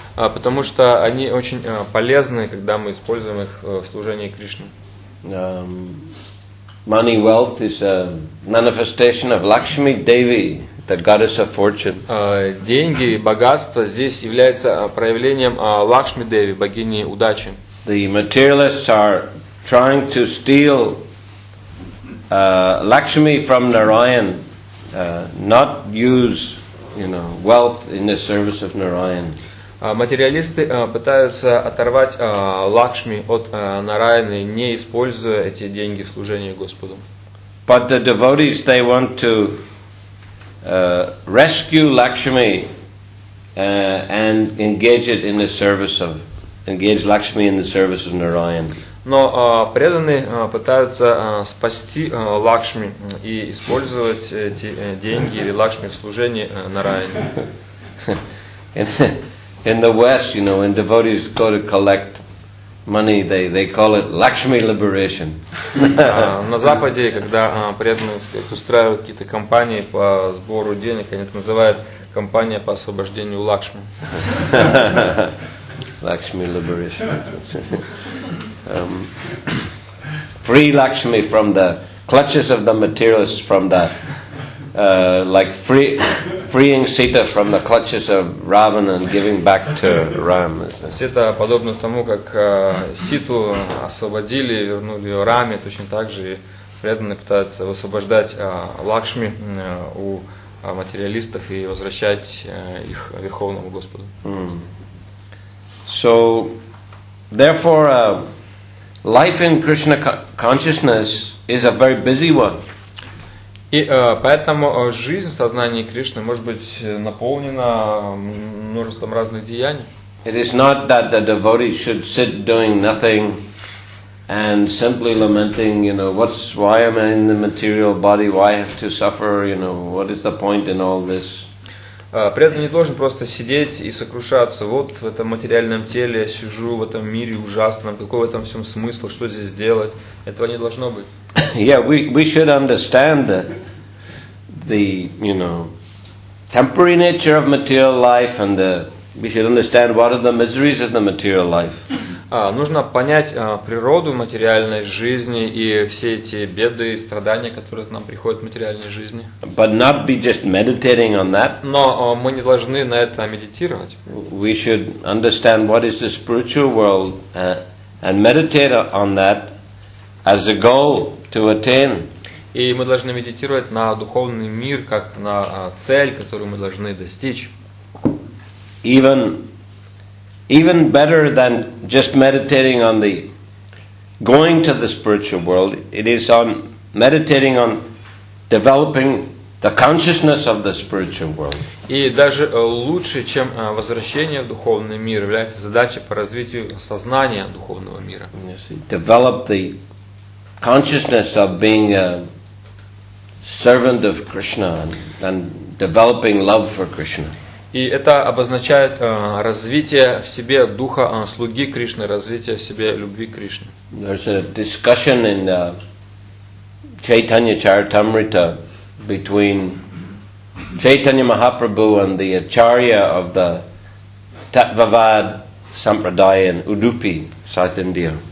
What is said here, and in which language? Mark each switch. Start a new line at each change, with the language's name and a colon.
Russian: Потому что они очень полезны, когда мы используем их в служении Кришне.
English: Money, wealth is a manifestation of Lakshmi Devi, the goddess of fortune.
Russian: Деньги, богатство здесь является проявлением Лакшми Деви, богини удачи.
English: The materialists are trying to steal Lakshmi from Narayan, not use, you know, wealth in the service of Narayan.
Russian: Материалисты пытаются оторвать Лакшми от Нараяны, не используя эти деньги в служении Господу.
English: But the devotees, they want to rescue Lakshmi and engage it in the service of, engage Lakshmi in the service of Narayan.
Russian: Но преданные пытаются спасти Лакшми и использовать эти деньги или Лакшми в служении Нараяне.
English: In the West, you know, when devotees go to collect money, they call it Lakshmi liberation.
Russian: На Западе, когда преданные устраивают какие-то кампании по сбору денег, они это называют кампания по освобождению Лакшми.
English: Lakshmi liberation. Free Lakshmi from the clutches of the materialists, from the like freeing Sita from the clutches of Ravana and giving back to Rama.
Russian: Сита подобно тому, как Ситу освободили, вернули ее Раме, точно так же преданные пытаются освобождать Лакшми у материалистов и возвращать их Верховному Господу.
English: So, therefore, life in Krishna consciousness is a very busy one.
Russian: И поэтому жизнь в сознании Кришны может быть наполнена множеством разных деяний.
English: It is not that the devotee should sit doing nothing and simply lamenting, you know, what's, why am I in the material body, why I have to suffer, you know, what is the point in all this?
Russian: При этом не должен просто сидеть и сокрушаться, вот в этом материальном теле я сижу, в этом мире ужасном, какой в этом всем смысл, что здесь делать, этого не должно быть.
English: Yeah, we should understand the you know, temporary nature of material life, and the, we should understand what are the miseries of the material life.
Russian: Нужно понять природу материальной жизни и все эти беды и страдания, которые к нам приходят в материальной жизни.
English: But not be just meditating on that.
Russian: Но мы не должны на это медитировать.
English: We should understand what is the spiritual world and meditate on that as a goal to attain.
Russian: И мы должны медитировать на духовный мир как на цель, которую мы должны достичь.
English: Even better than just meditating on the going to the spiritual world, it is on meditating on developing the consciousness of the spiritual world.
Russian: И даже лучше, чем возвращение в духовный мир, является задача по развитию сознания духовного мира.
English: Develop the consciousness of being a servant of Krishna and developing love for Krishna.
Russian: И это обозначает развитие в себе духа слуги Кришны, развитие в себе любви Кришны.
English: There's a discussion in the Chaitanya Charitamrita between Chaitanya Mahaprabhu and the Acharya of the Tattvavad Sampradaya in Udupi, South India.